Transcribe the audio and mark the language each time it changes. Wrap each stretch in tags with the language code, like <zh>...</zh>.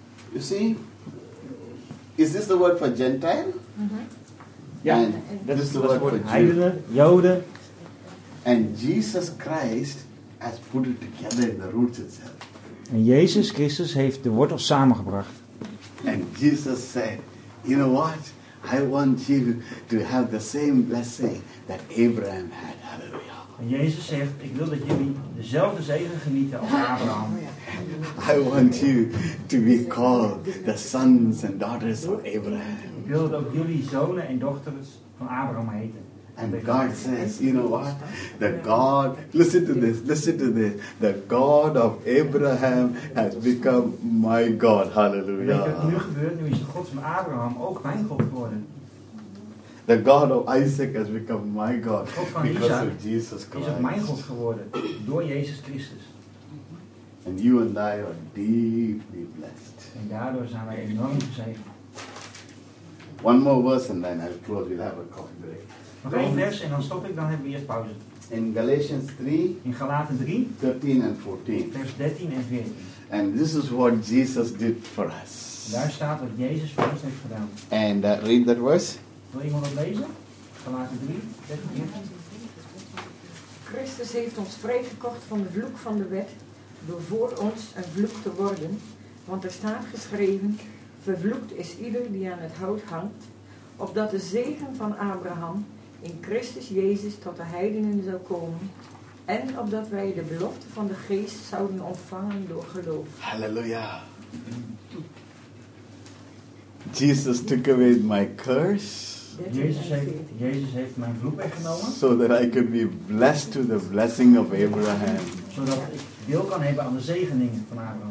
<en>You see, is this the word for Gentile?</en> <nl>Ja, dat is de woord voor heidenen, Joden.</nl> <en>And Jesus Christ has put it together in the roots itself.</en> <nl>En Jezus Christus heeft de wortels samengebracht.</nl> <en>And Jesus said, you know what? I want you to have the same blessing that Abraham had. Hallelujah.</en> <nl>En Jezus zegt, ik wil dat jullie dezelfde zegen genieten als Abraham.</nl> <en>I want you to be called the sons and daughters of Abraham.</en> <nl>Ik wil dat ook jullie zonen en dochters van Abraham heten.</nl> <en>And God says, you know what? The God, listen to this. The God of Abraham has become my God. Hallelujah.</en> <nl>Nu is de God van Abraham ook mijn God geworden.</nl> <en>The God of Isaac has become my God.</en> <nl>God van</nl> <en>because Isaac of Jesus Christ.</en> <nl>Is ook mijn God geworden door Jezus Christus.</nl> <en>And you and I are deeply blessed.</en> <nl>En daardoor zijn wij enorm gezegend.</nl> <en>One more verse and then I'll close. We'll have a coffee break.</en> <nl>Nog één vers en dan stop ik. Dan hebben we eerst pauze.</nl> <en>In Galatians 3.</en> <nl>In Galaten 3.</nl> <en>13 and 14.</en> <nl>Vers 13 en 14.</nl> <en>And this is what Jesus did for us.</en> <nl>Daar staat wat Jezus voor ons heeft gedaan.</nl> <en>And read that verse.</en> <nl>Wil iemand het lezen? Galaten 3. 13 en 14. Christus heeft ons vrijgekocht van de vloek van de wet. Door voor ons een vloek te worden. Want er staat geschreven. Vervloekt is ieder die aan het hout hangt, opdat de zegen van Abraham in Christus Jezus tot de heidenen zou komen, en opdat wij de belofte van de geest zouden ontvangen door geloof. Halleluja.</nl> <en>Jesus took away my curse.</en> <nl>Jezus heeft mijn vloek weggenomen.</nl> <en>So that I could be blessed to the blessing of Abraham.</en> <nl>Zodat ik deel kan hebben aan de zegeningen van Abraham.</nl>